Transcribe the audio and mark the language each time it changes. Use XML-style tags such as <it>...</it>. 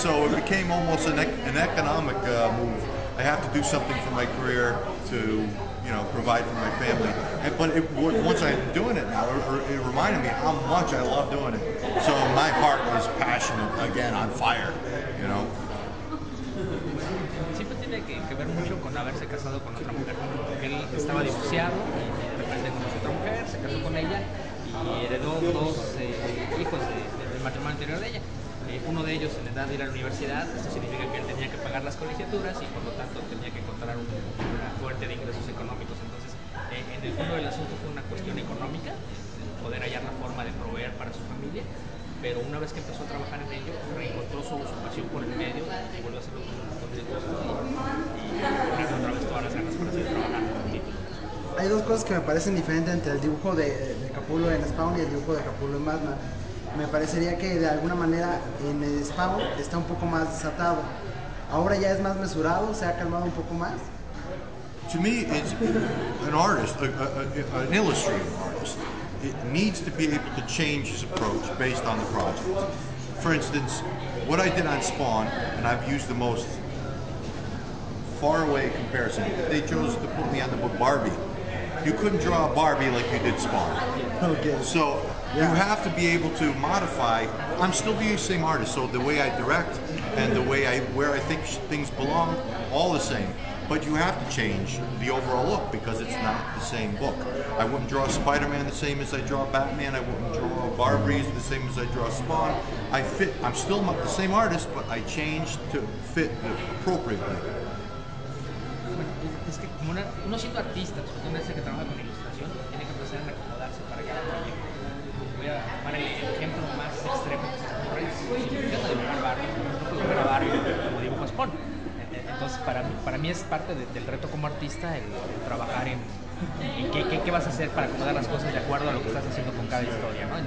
<en>So it became almost an economic move. I have to do something for my career to, you know, provide for my family. But once I'm doing it now, it reminded me how much I love doing it. So my heart is passionate again, on fire, you know.</en> <es>Siempre tiene que ver mucho con haberse casado con otra mujer. Porque él estaba divorciado y de repente conoció otra mujer, se casó con ella y heredó dos hijos del matrimonio anterior de ella. Uno de ellos en edad de ir a la universidad, eso significa que él tenía que pagar las colegiaturas y por lo tanto tenía que encontrar una fuente de ingresos económicos. Entonces, en el fondo del asunto fue una cuestión económica, poder hallar la forma de proveer para su familia, pero una vez que empezó a trabajar en ello, reencontró su pasión por el medio y volvió a hacerlo con el gusto y poniendo otra vez todas las ganas para seguir trabajando con el título. Hay dos cosas que me parecen diferentes entre el dibujo de Capullo en Spawn y el dibujo de Capullo en Batman. Me parecería que de alguna manera en el Spawn está un poco más desatado. Ahora ya es más mesurado, se ha calmado un poco más.</es> <en>To me, it's an artist, an illustrating artist. It needs to be able to change his approach based on the project. For instance, what I did on Spawn, and I've used the most far away comparison, they chose to put me on the book Barbie. You couldn't draw a Barbie like you did Spawn. Okay. So, yeah. You have to be able to modify. I'm still the same artist, so the way I direct and the way I where I think things belong, all the same. But you have to change the overall look because it's not the same book. I wouldn't draw Spider-Man the same as I draw Batman. I wouldn't draw Barbaries the same as I draw Spawn. I'm still the same artist, but I changed to fit appropriately.</en> <es>Bueno, es que como uno siendo artista, una vez que trabaja con ilustración, tiene que empezar a acomodarse para cada proyecto. Voy a tomar el ejemplo más extremo. Yo soy un barrio, no puedo grabar como dibujo Spawn. Entonces, para mí es parte del reto como artista el trabajar en qué vas a hacer para acomodar las cosas de acuerdo a lo que estás haciendo con cada historia, ¿no?</es>